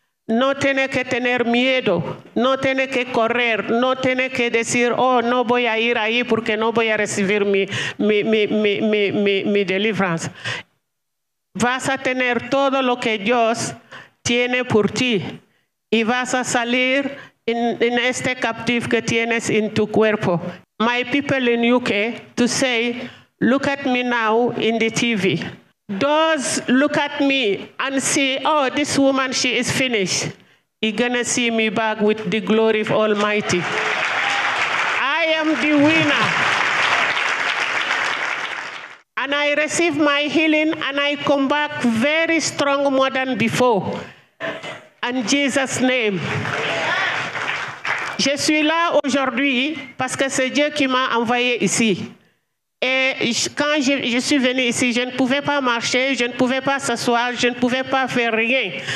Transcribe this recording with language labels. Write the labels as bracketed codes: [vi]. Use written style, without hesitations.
[es] No tiene que tener miedo, no tiene que correr, no tiene que decir, oh, no voy a ir ahí porque no voy a recibir mi deliverance. Vas a tener todo lo que Dios tiene por ti, y vas a salir in este captive que tienes in tu cuerpo. [en] My people in UK to say, look at me now in the TV. Those look at me and see, oh, this woman, she is finished. You're gonna see me back with the glory of Almighty. I am the winner. And I receive my healing and I come back very strong, more than before. In Jesus' name. [fr] Je suis là aujourd'hui parce que c'est Dieu qui m'a envoyé ici. Et quand je suis venue ici, je ne pouvais pas marcher, je ne pouvais pas s'asseoir, je ne pouvais pas faire rien.